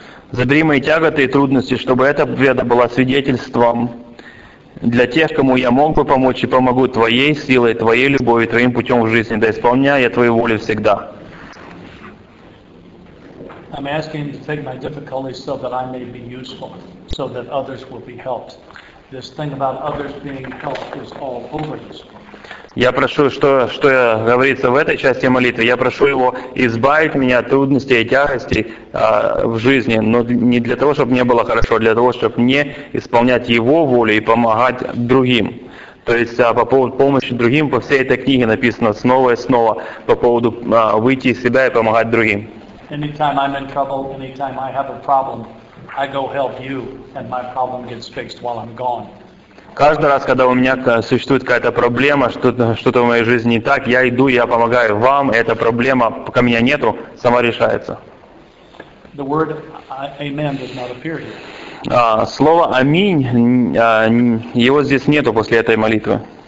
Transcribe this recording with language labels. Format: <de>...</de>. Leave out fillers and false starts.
<ru>Забери мои тяготы и трудности, чтобы эта победа была свидетельством для тех, кому я мог бы помочь и помогу твоей силой, твоей любовью, твоим путем в жизни, да исполняю я твою волю всегда.</ru> <en>I'm asking him to take my difficulties so that I may be useful, so that others will be helped. This thing about others being helped is all over this.</en> <ru>Я прошу, что говорится в этой части молитвы, я прошу Его избавить меня от трудностей и тягостей в жизни, но не для того, чтобы мне было хорошо, а для того, чтобы мне исполнять Его волю и помогать другим. То есть по поводу помощи другим, по всей этой книге написано снова и снова по поводу выйти из себя и помогать другим.</ru> <en>Anytime I'm in trouble, anytime I have a problem, I go help you, and my problem gets fixed while I'm gone.</en> <ru>Каждый раз, когда у меня существует какая-то проблема, что-то в моей жизни не так, я иду, я помогаю вам, и эта проблема, пока меня нету, сама решается.</ru> <en>The word amen does not appear here.</en> <ru>Слово «аминь», его здесь нету после этой молитвы.</ru>